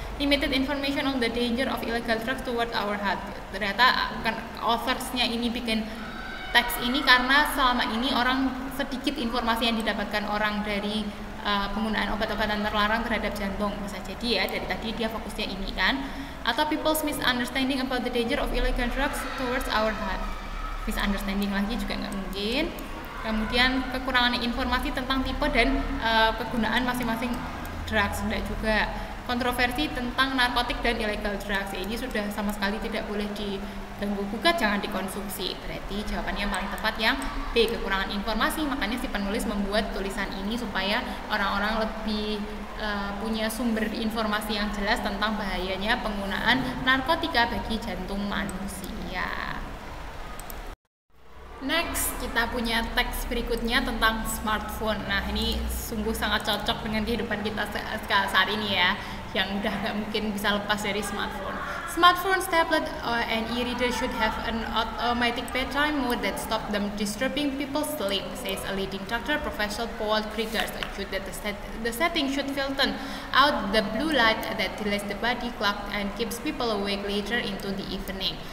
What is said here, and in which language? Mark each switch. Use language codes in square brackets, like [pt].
[en] Limited information on the danger of illegal drugs toward our heart. [id] Ternyata kan authors-nya ini bikin teks ini karena selama ini orang sedikit informasi yang didapatkan orang dari penggunaan obat-obatan terlarang terhadap jantung. Bisa jadi ya, dari tadi dia fokusnya ini kan. Atau [en] people's misunderstanding about the danger of illegal drugs towards our heart. [id] Misunderstanding lagi juga gak mungkin. Kemudian kekurangan informasi tentang tipe dan kegunaan masing-masing drugs. Enggak juga. Kontroversi tentang narkotik dan illegal drugs. Ini sudah sama sekali tidak boleh diganggu gugat, jangan dikonsumsi. Berarti jawabannya paling tepat yang B, kekurangan informasi. Makanya si penulis membuat tulisan ini supaya orang-orang lebih punya sumber informasi yang jelas tentang bahayanya penggunaan narkotika bagi jantung manusia. [en] Next, [id] kita punya teks berikutnya tentang smartphone. Nah, ini sungguh sangat cocok dengan kehidupan kita saat ini ya, yang udah gak mungkin bisa lepas dari smartphone. [en] Smartphones, tablet, and e-reader should have an automatic bedtime mode that stop them disturbing people's sleep, says a leading doctor, Professor Paul Krieger. The setting should filter out the blue light that delays the body clock and keeps people awake later into the evening.